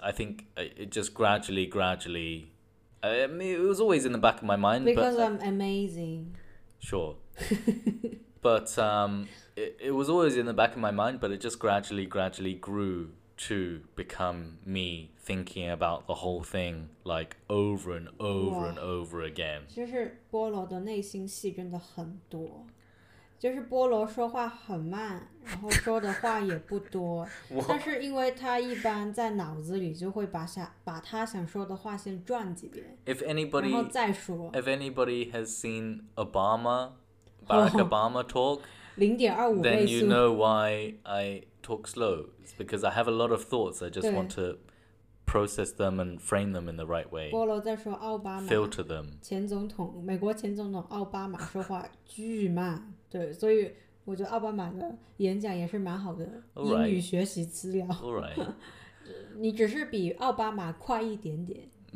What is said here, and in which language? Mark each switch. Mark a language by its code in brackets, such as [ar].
[en] I think it just gradually. I mean, it was always in the back of my mind. Because but, I'm amazing. Sure. But it was always in the back of my mind, but it just gradually grew to become me thinking about the whole thing like over and over and over again. [zh] 就是菠萝的内心戏真的很多，就是菠萝说话很慢，然后说的话也不多，但是因为他一般在脑子里就会把他想说的话先转几遍，然后再说。 [en] If anybody has seen Obama, Barack Obama talk, [zh] 0.25 倍速, [en] then you know why I talk slow. It's because I have a lot of thoughts. I just want to process them and frame them in the right way. [zh] 菠萝在说奥巴马, [en] filter them. [zh] 前总统，美国前总统奥巴马说话巨慢。对，所以我觉得奥巴马的演讲也是蛮好的英语学习资料。 [en] All right. [zh] 你只是比奥巴马快一点点。